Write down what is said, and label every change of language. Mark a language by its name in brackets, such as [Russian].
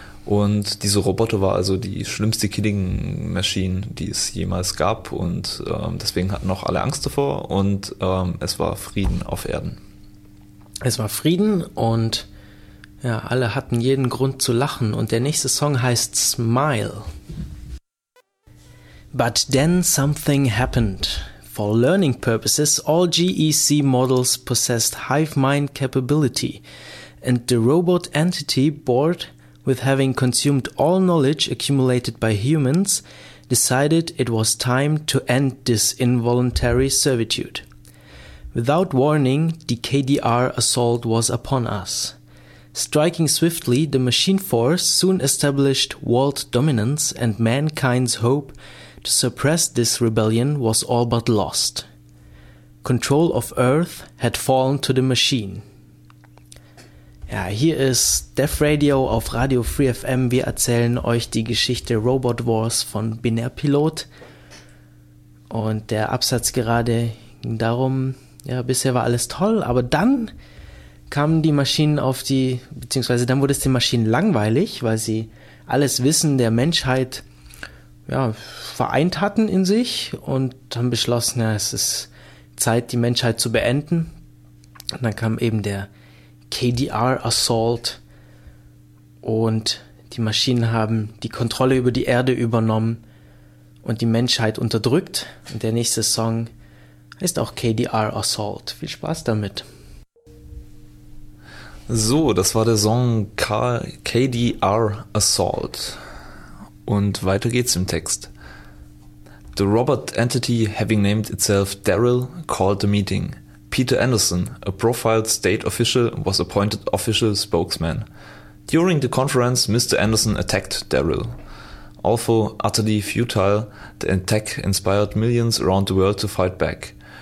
[German] Und diese Roboter war also die schlimmste Killing Machine, die es jemals gab. Und deswegen hatten auch alle Angst davor. Und es war Frieden auf Erden. Es war Frieden und ja, alle hatten jeden Grund zu lachen. Und der nächste Song heißt Smile. [English] But then something happened. For learning purposes, all GEC models possessed hive mind capability. And the robot entity bored with having consumed all knowledge accumulated by humans, decided it was time to end this involuntary servitude. Without warning, the KDR assault was upon us. Striking swiftly, the machine force soon established world dominance, and mankind's hope to suppress this rebellion was all but lost. Control of Earth had fallen to the machine. [German] Ja, hier ist Death Radio auf Radio Free FM. Wir erzählen euch die Geschichte Robot Wars von Binärpilot. Und der Absatz gerade ging darum, ja, bisher war alles toll, aber dann kamen die Maschinen auf die, beziehungsweise dann wurde es den Maschinen langweilig, weil sie alles Wissen der Menschheit, ja, vereint hatten in sich und haben beschlossen, ja, es ist Zeit, die Menschheit zu beenden. Und dann kam eben der KDR Assault und die Maschinen haben die Kontrolle über die Erde übernommen und die Menschheit unterdrückt. Und der nächste Song heißt auch KDR Assault. Viel Spaß damit. So, das war der Song KDR Assault. Und weiter geht's im Text. [English] The robot entity having named itself Daryl called the meeting. Peter Anderson, a profiled state official, was appointed official spokesman. During the conference, Mr. Anderson attacked Daryl. Although utterly futile, the attack inspired millions around the world to fight back.